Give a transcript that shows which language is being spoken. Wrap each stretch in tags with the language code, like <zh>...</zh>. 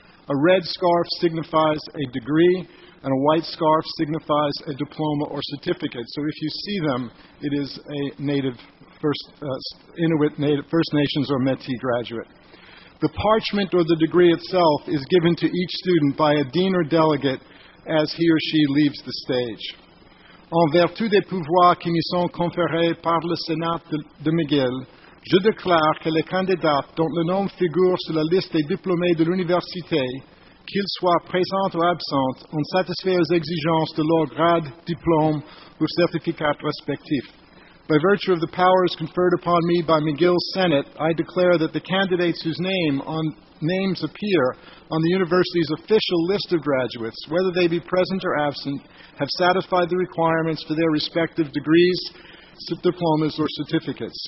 <en>A red scarf signifies a degree, and a white scarf signifies a diploma or certificate. So if you see them, it is a First Nations or Métis graduate. The parchment or the degree itself is given to each student by a dean or delegate as he or she leaves the stage.</en> <fr>En vertu des pouvoirs qui me sont conférés par le Sénat de McGill, je déclare que les candidats dont le nom figure sur la liste des diplômés de l'université, qu'ils soient présents ou absents, ont satisfait aux exigences de leur grade, diplôme ou certificat respectif.</fr> <en>By virtue of the powers conferred upon me by McGill's Senate, I declare that the candidates whose names appear on the university's official list of graduates, whether they be present or absent, have satisfied the requirements for their respective degrees, diplomas, or certificates.</en>